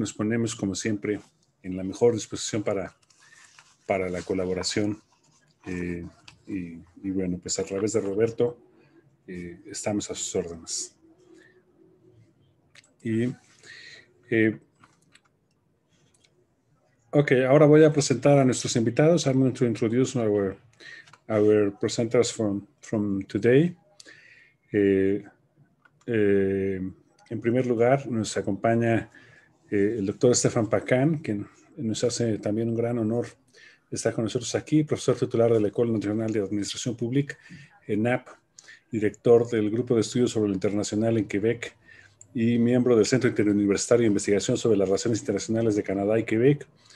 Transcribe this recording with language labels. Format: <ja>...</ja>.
<es>Nos ponemos, como siempre, en la mejor disposición para la colaboración. Y bueno, pues a través de Roberto estamos a sus órdenes. Y ok, ahora voy a presentar a nuestros invitados.</es> <en>I'm going to introduce our presenters from today.</en> <es>En primer lugar, nos acompaña el doctor Stefan Pacán, quien nos hace también un gran honor estar con nosotros aquí, profesor titular de la École Nationale de Administración Pública, ENAP, director del Grupo de Estudios sobre lo Internacional en Quebec y miembro del Centro Interuniversitario de Investigación sobre las Relaciones Internacionales de Canadá y Quebec.</es>